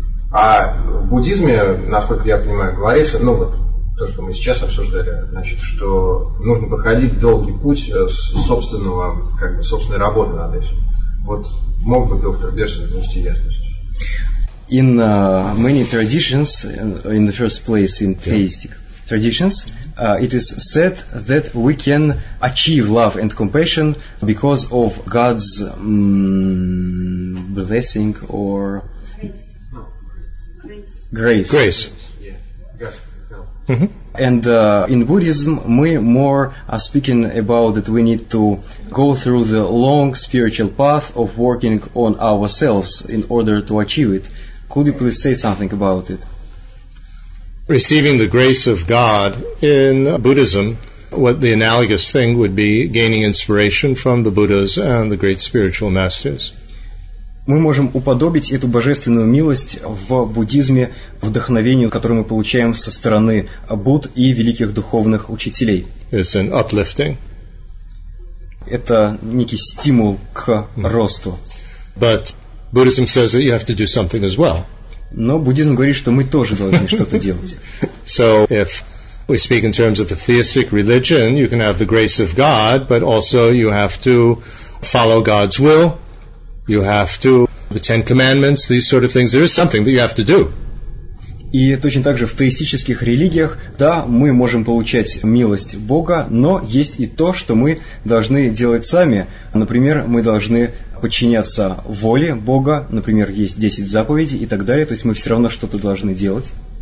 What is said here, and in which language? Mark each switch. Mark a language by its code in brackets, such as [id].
[ru] А в буддизме, насколько я понимаю, говорится, ну вот то, что мы сейчас обсуждали, значит, что нужно проходить долгий путь с собственного, как бы, собственной работы над этим. Вот мог бы доктор Берсон внести ясность? [en] In many traditions, in the first place, in theistic traditions, it is said that we can achieve love and compassion because of God's blessing or grace. Grace. And in Buddhism, we more are speaking about that we need to go through the long spiritual path of working on ourselves in order to achieve it. Could you please say something about it? Receiving the grace of God in Buddhism, what the analogous thing would be gaining inspiration from the Buddhas and the great spiritual masters. [ru] Мы можем уподобить эту божественную милость в буддизме вдохновению, которое мы получаем со стороны Будд и великих духовных учителей. [en] It's an uplifting. [ru] Это некий стимул к росту. [en] But Buddhism says that you have to do something as well. [ru] Но буддизм говорит, что мы тоже должны что-то делать. [en] So, if we speak in terms of a theistic religion, you can have the grace of God, but also you have to follow God's will, you have to the Ten Commandments, these sort of things, there is something that you have to do. [ru] И точно так же в теистических религиях, да, мы можем получать милость Бога, но есть и то, что мы должны делать сами. Например, мы должны подчиняться воле Бога, например, есть 10 заповедей и так далее, то есть мы все равно что-то должны делать.